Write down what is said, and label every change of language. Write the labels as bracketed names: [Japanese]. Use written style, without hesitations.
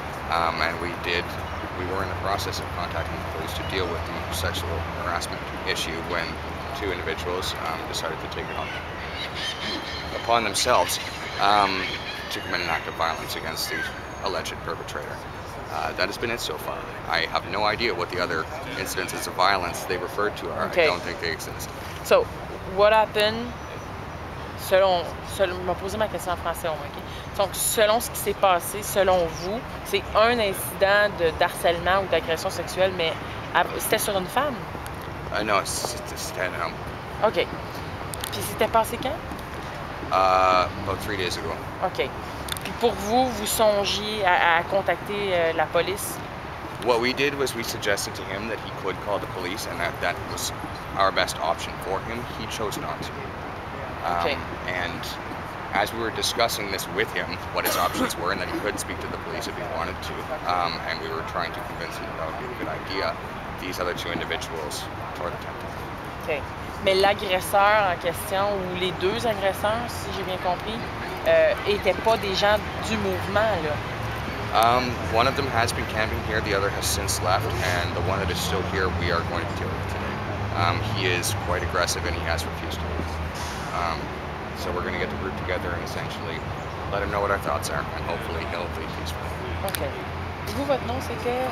[English] We were in the process of contacting the police to deal with the sexual harassment issue when two individuals decided to take it upon themselves to commit an act of violence against the alleged perpetrator. That has been it so far. I have no idea what the other incidences of violence they referred to are. Okay. I don't think they exist. So, what happened? [French] Selon, je vais poser ma question en français au moins, OK? Donc, selon ce qui s'est passé, selon vous, c'est un incident d'harcèlement ou d'agression sexuelle, mais c'était sur une femme? Non, c'était un homme. OK. Puis c'était passé quand? [English] About 3 days ago. OK. [French] Puis pour vous, vous songiez à contacter la police? [English] What we did was we suggested to him that he could call the police and that was our best option for him. He chose not to. Okay. And as we were discussing this with him, what his options were, and that he could speak to the police if he wanted to, and we were trying to convince him that would be a good idea, these other two individuals tore the tent. Okay. [French] Mais l'agresseur en question, ou les deux agresseurs, si j'ai bien compris, étaient pas des gens du mouvement, là. [English] One of them has been camping here, the other has since left, and the one that is still here, we are going to deal with today. He is quite aggressive, and he has refused to leave. So we're going to get the group together and essentially let him know what our thoughts are, and hopefully he'll be peaceful. [French] Okay. Vous, votre nom, c'est que...